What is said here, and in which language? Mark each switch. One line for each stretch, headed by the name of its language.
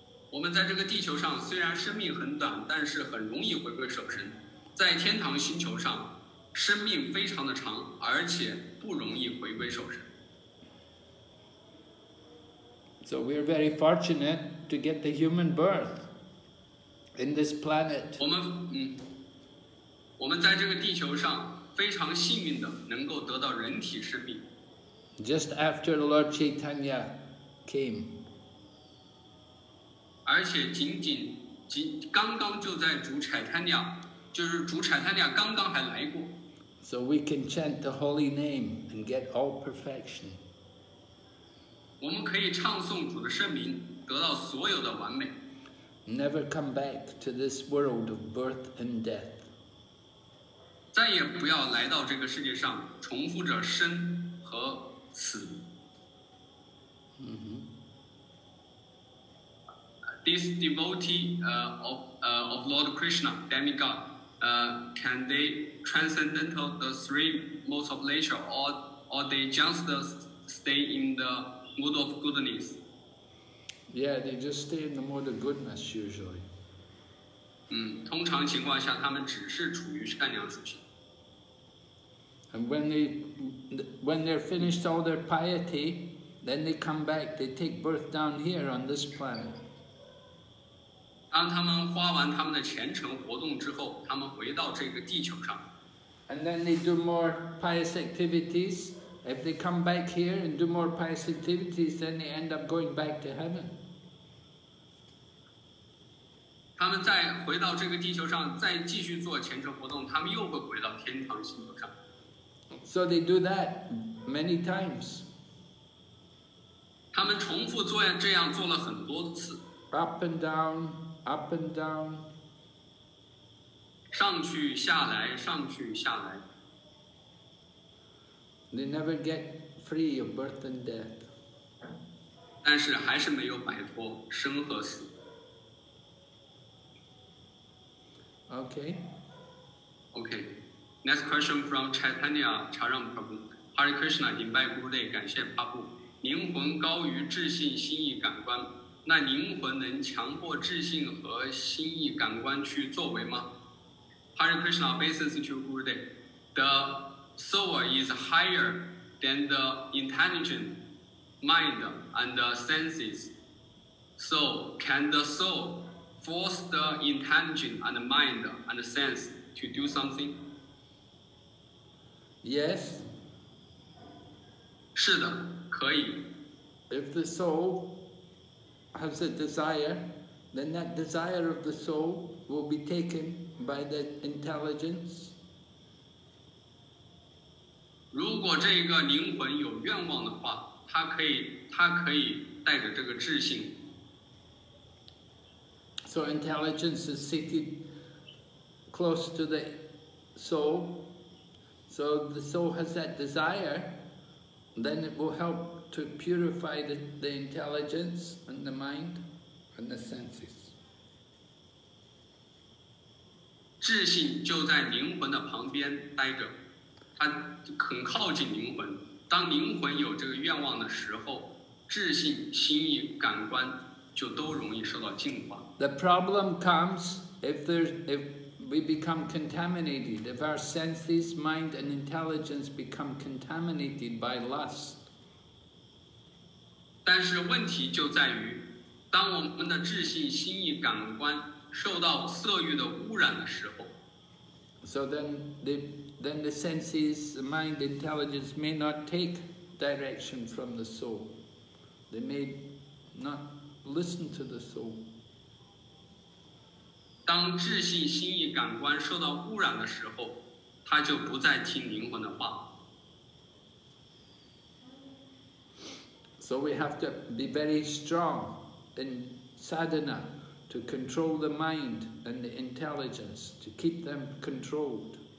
Chinese: 我们在这个地球上虽然生命很短但是很容易回归守身。在天堂星球上生命非常的长而且不容易回归守身。
English: So we are very fortunate to get the human birth. in this planet.
Chinese: 我们在这个地球上非常幸运的能够得到人体生命。
English: Just after Lord Chaitanya came.
Chinese: 而且刚刚就在主 Chaitanya, 就是主 Chaitanya 刚刚还来过。
English: So we can chant the holy name and get all perfection.
Chinese: 我们可以唱诵主的圣名，得到所有的完美。
English: Never come back to this world of birth and death.
Chinese: 再也不要来到这个世界上，重复着生和死。
English: This devotee of Lord Krishna, demigod, can they transcendental the three modes of nature, or they just stay in the mood of goodness? Yeah, they just stay in the mode of goodness usually.
Chinese: 通常情况下他们只是处于善良属性。
English: And when they're finished all their piety, then they come back, they take birth down here on this planet.
Chinese: 当他们花完他们的虔诚活动之后，他们回到这个地球上。
English: And then they do more pious activities. If they come back here and do more pious activities, then they end up going back to heaven.
Chinese: 他们再回到这个地球上，再继续做虔诚活动，他们又会回到天堂星球上。
English: So they do that many times.
Chinese: 他们重复做这样做了很多次。
English: Up and down. Up and down.
Chinese: 上去下来，上去下来。
English: They never get free of birth and death.
Chinese: 但是还是没有摆脱生和死。
English: Okay. Okay. Next question from Chaitanya Charan Prabhu.
Chinese: Hare Krishna, 礼拜古内，感谢帕布。灵魂高于智性、心意、感官。那灵魂能强迫智性和心意感官去作为吗？
English: Hare Krishna obeys to Gurudev. The soul is higher than the intelligent mind and the senses. So can the soul force the intelligent and the mind and the sense to do something? Yes.
Chinese: 是的，可以。
English: If the soulhas a desire, then that desire of the soul will be taken by the intelligence.
Chinese: 如果这个灵魂有愿望的话，它可以带着这个智性。
English: So intelligence is seated close to the soul. So the soul has that desire, then it will help. To purify the intelligence and the mind and the senses.
Chinese: 智性就在灵魂的旁边待着，它很靠近灵魂。当灵魂有这个愿望的时候，智性、心意、感官就都容易受到净化。
English: The problem comes if we become contaminated, if our senses, mind, and intelligence become contaminated by lust.
Chinese: 但是问题就在于，当我们的智性、心意、感官受到色欲的污染的时候
English: ，so then the senses, the mind, intelligence may not take direction from the soul. They may not listen to the soul.
Chinese: 当智性、心意、感官受到污染的时候，他就不再听灵魂的话。
English: So we have to be very strong in sadhana to control the mind and the intelligence, to keep them controlled.